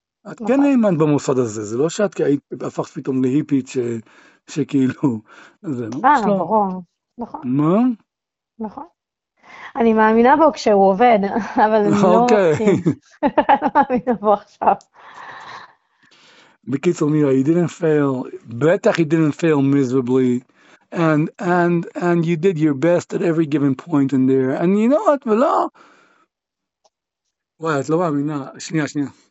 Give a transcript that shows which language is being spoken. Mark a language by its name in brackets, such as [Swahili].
[Hebrew] את כן האמנת במוסד הזה, זה לא שאת היית הפכת פתאום להיפית שכאילו, זה לא. אה, נכון. מה? נכון. אני מאמינה בו כשהוא עובד, אבל אני לא מאמינה בו עכשיו. בקיצור, [English] מירה, you didn't fail, [Hebrew] בטח [English] you didn't fail miserably, and you did your best at every given point in there, and you know what, [Hebrew] ולא. וואי, את לא מאמינה, שנייה, שנייה.